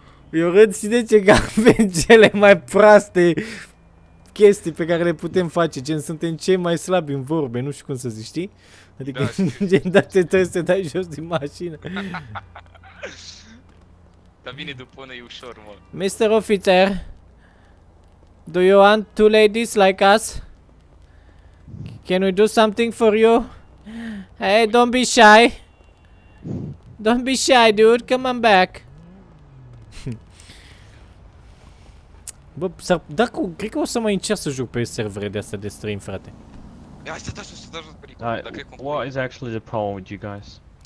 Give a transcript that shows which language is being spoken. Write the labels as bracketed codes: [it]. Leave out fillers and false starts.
[ro] Eu râd și de ce că avem cele mai proaste chestii pe care le putem face. Gen, suntem cei mai slabi în vorbe, nu știu cum să zici, știi? Adică, da, gen, dar te trebuie să te dai jos din mașină. Dar vine după noi ușor, mă. [en] Mr. Officer, do you want two ladies like us? Can we do something for you? Hey, don't be shy. Don't be shy, dude. Come on back. [ro] Bă, s-ar... Dacă, cred că o să mai încerc să joc pe servere de astea de stream, frate. Ia, stai jos, pericol. [en] What is actually the problem with you guys?